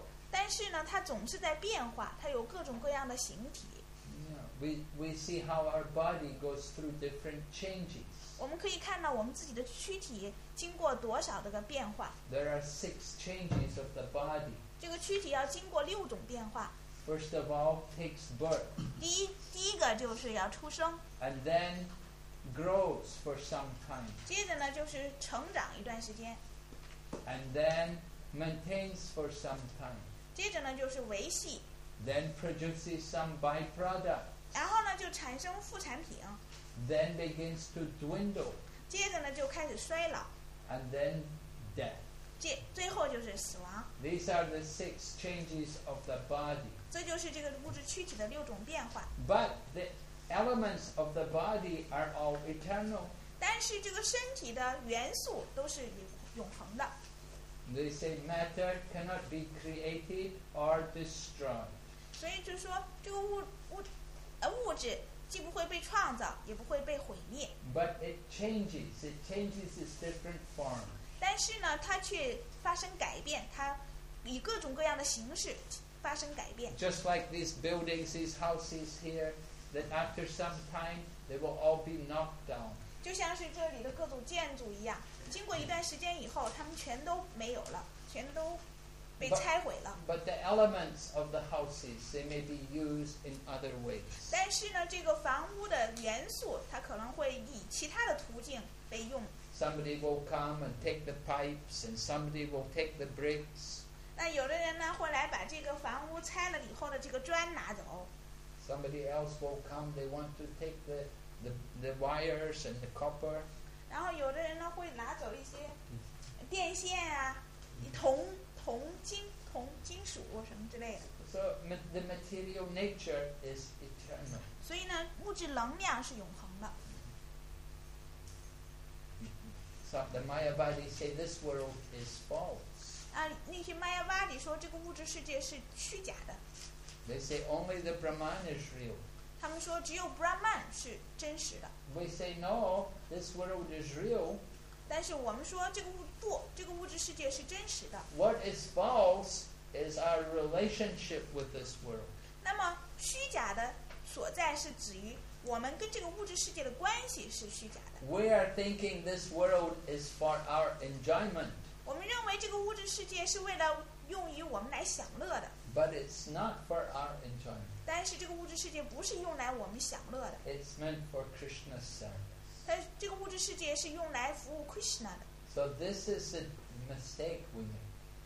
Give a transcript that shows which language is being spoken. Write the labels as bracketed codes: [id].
[zh] 但是呢，它总是在变化，它有各种各样的形体。 [en] Yeah, we see how our body goes through different changes. [zh] 我们可以看到我们自己的躯体经过多少的个变化。 [en] There are six changes of the body. [zh] 这个躯体要经过六种变化。 [en] First of all, takes birth. [zh] 第一个就是要出生。 [en] And then grows for some time. [zh] 接着呢，就是成长一段时间。 [en] And then maintains for some time. [zh] 接着呢，就是维系。 [en] Then produces some byproduct. [zh] 然后呢，就产生副产品。 [en] Then begins to dwindle. [zh] 接着呢，就开始衰老。 [en] And then death. [zh] 最后就是死亡。 [en] These are the six changes of the body. [zh] 这就是这个物质躯体的六种变化。 [en] But the elements of the body are all eternal. [zh] 但是这个身体的元素都是永恒的。 [en] They say matter cannot be created or destroyed. [zh] 所以就说这个物质既不会被创造，也不会被毁灭。 [en] But it changes. It changes its different form. [zh] 但是呢，它却发生改变，它以各种各样的形式发生改变。 [en] Just like these buildings, these houses here, that after some time they will all be knocked down. [zh] 就像是这里的各种建筑一样。经过一段时间以后，他们全都没有了，全都被拆毁了。 [en] But the elements of the houses, they may be used in other ways. [zh] 但是呢，这个房屋的元素，它可能会以其他的途径被用。 [en] Somebody will come and take the pipes, and somebody will take the bricks. [zh] 那有的人呢，会来把这个房屋拆了以后的这个砖拿走。 [en] Somebody else will come, they want to take the wires and the copper. [zh] 然后有的人呢会拿走一些电线啊，铜、金属什么之类的。 [en] So the material nature is eternal. [zh] 所以呢，物质能量是永恒的。 [en] So the Mayavadi say this world is false. [zh] 那些 Mayavadi 说这个物质世界是虚假的。 [en] They say only the Brahman is real. [zh] 他们说只有 Brahman 是真实的。 [en] We say no, this world is real. [zh] 但是我们说这个物不，这个物质世界是真实的。 [en] What is false is our relationship with this world. [zh] 那么虚假的所在是指于我们跟这个物质世界的关系是虚假的。 [en] We are thinking this world is for our enjoyment. [zh] 我们认为这个物质世界是为了用于我们来享乐的。 [en] But it's not for our enjoyment. [zh] 但是这个物质世界不是用来我们享乐的。 [en] It's meant for Krishna's service. [zh] 它这个物质世界是用来服务 Krishna 的。 [en] So this is a mistake we make.